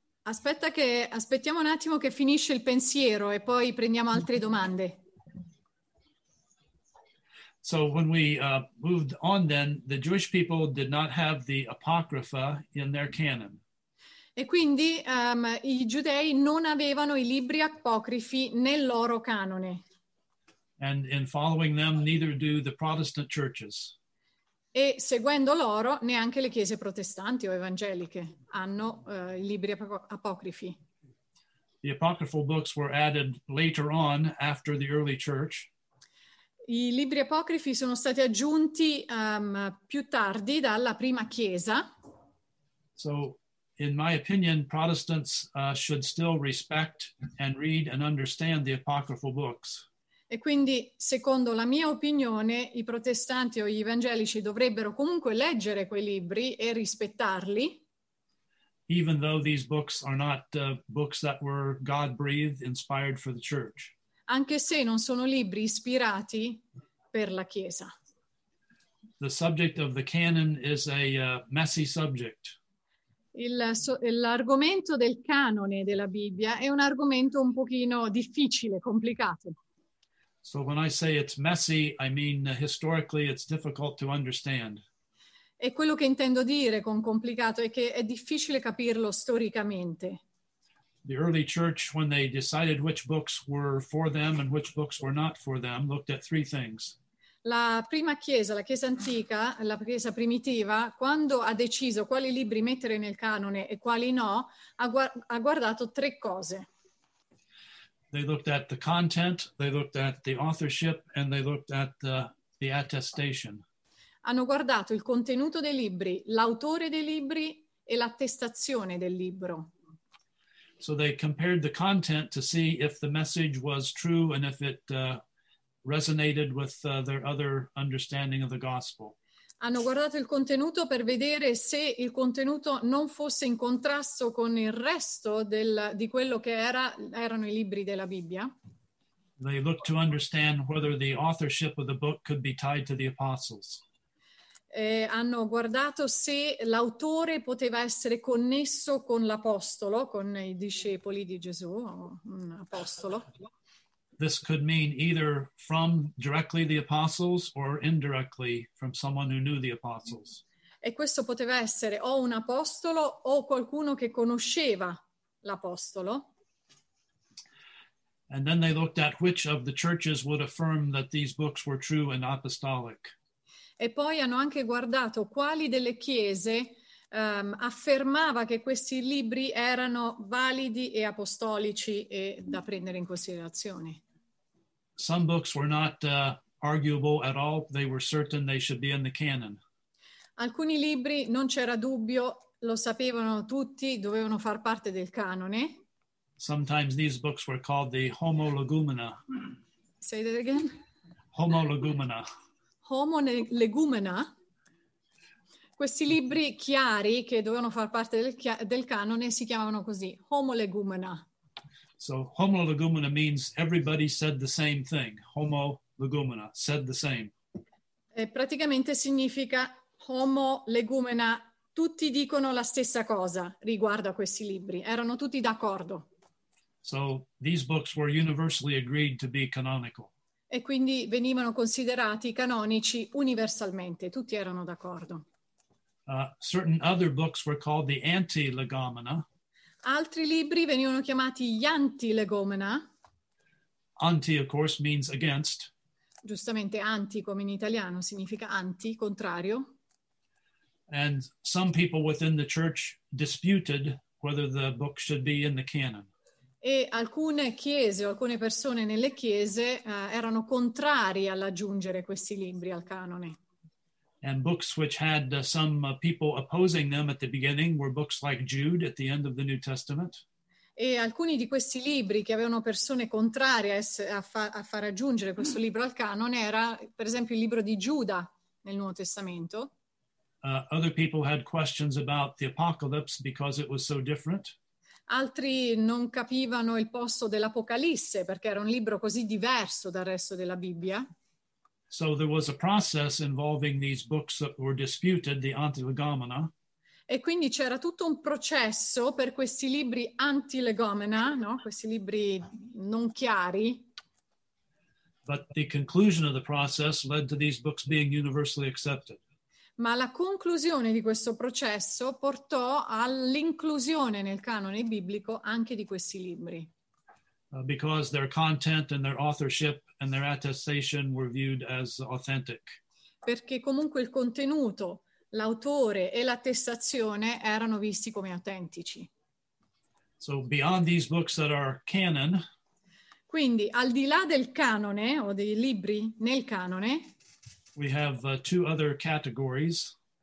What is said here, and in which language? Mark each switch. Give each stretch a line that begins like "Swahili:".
Italian: Aspettiamo un attimo che finisce il pensiero e poi prendiamo altre domande.
English: So when we moved on then, the Jewish people did not have the Apocrypha in their canon.
Italian: E quindi i giudei non avevano i libri apocrifi nel loro canone.
English: And in following them, neither do the Protestant churches.
Italian: E seguendo loro, neanche le chiese protestanti o evangeliche hanno i libri apocrifi.
English: The apocryphal books were added later on, after the early church.
Italian: I libri apocrifi sono stati aggiunti più tardi dalla prima chiesa.
English: So, in my opinion, Protestants should still respect and read and understand the apocryphal books.
Italian: E quindi, secondo la mia opinione, i protestanti o gli evangelici dovrebbero comunque leggere quei libri e rispettarli.
English: Even though these books are not books that were God-breathed, inspired for the church.
Italian: Anche se non sono libri ispirati per la Chiesa.
English: The subject of the canon is a messy subject.
Italian: L'argomento del canone della Bibbia è un argomento un pochino difficile, complicato.
English: So when I say it's messy, I mean historically it's difficult to understand.
Italian: E quello che intendo dire con complicato è che è difficile capirlo storicamente.
English: The early church, when they decided which books were for them and which books were not for them, looked at three things.
Italian: La prima chiesa, la chiesa antica, la chiesa primitiva, quando ha deciso quali libri mettere nel canone e quali no, ha guardato tre cose.
English: They looked at the content, they looked at the authorship, and they looked at the attestation.
Italian: Hanno guardato il contenuto dei libri, l'autore dei libri e l'attestazione del libro.
English: So they compared the content to see if the message was true and if it resonated with their other understanding of the gospel.
Italian: Hanno guardato il contenuto per vedere se il contenuto non fosse in contrasto con il resto di quello che erano i libri della Bibbia.
English: They looked to understand whether the authorship of the book could be tied to the apostles.
Italian: E hanno guardato se l'autore poteva essere connesso con l'apostolo, con i discepoli di Gesù, un apostolo.
English: This could mean either from directly the apostles or indirectly from someone who knew the apostles.
Italian: E questo poteva essere o un apostolo o qualcuno che conosceva l'apostolo.
English: And then they looked at which of the churches would affirm that these books were true and apostolic.
Italian: E poi hanno anche guardato quali delle chiese affermava che questi libri erano validi e apostolici e da prendere in considerazione.
English: Some books were not arguable at all. They were certain they should be in the canon.
Italian: Alcuni libri non c'era dubbio, lo sapevano tutti, dovevano far parte del canone.
English: Sometimes these books were called the Homo Legumina. Say that again. Homo Legumina. Homo Legumina.
Italian: Questi libri chiari che dovevano far parte del canone si chiamavano così, Homo Legumina.
English: So homo legumina means everybody said the same thing. Homo legumina, said the same.
Italian: E praticamente significa homo legumina, tutti dicono la stessa cosa riguardo a questi libri, erano tutti d'accordo.
English: So these books were universally agreed to be canonical.
Italian: E quindi venivano considerati canonici universalmente, tutti erano d'accordo.
English: Certain other books were called the anti-legomena.
Italian: Altri libri venivano chiamati gli anti-legomena.
English: Anti, of course, means against.
Italian: Giustamente anti, come in italiano, significa anti, contrario.
English: And some people within the church disputed whether the book should be in the canon.
Italian: E alcune chiese o alcune persone nelle chiese erano contrari all'aggiungere questi libri al canone.
English: And books which had some people opposing them at the beginning were books like Jude at the end of the New Testament.
Italian: E alcuni di questi libri che avevano persone contrarie a far aggiungere questo libro al canone era, per esempio, il libro di Giuda nel Nuovo Testamento.
English: Other people had questions about the Apocalypse because it was so different.
Italian: Altri non capivano il posto dell'Apocalisse perché era un libro così diverso dal resto della Bibbia.
English: So there was a process involving these books that were disputed, the anti-legomena.
Italian: E quindi c'era tutto un processo per questi libri anti-legomena, no? Questi libri non chiari.
English: But the conclusion of the process led to these books being universally accepted.
Italian: Ma la conclusione di questo processo portò all'inclusione nel canone biblico anche di questi libri.
English: Because their content and their authorship and their attestation were viewed as authentic.
Italian: Perché comunque il contenuto, l'autore e l'attestazione erano visti come autentici.
English: So beyond these books that are canon,
Italian: quindi al di là del canone o dei libri nel canone,
English: we have two other categories.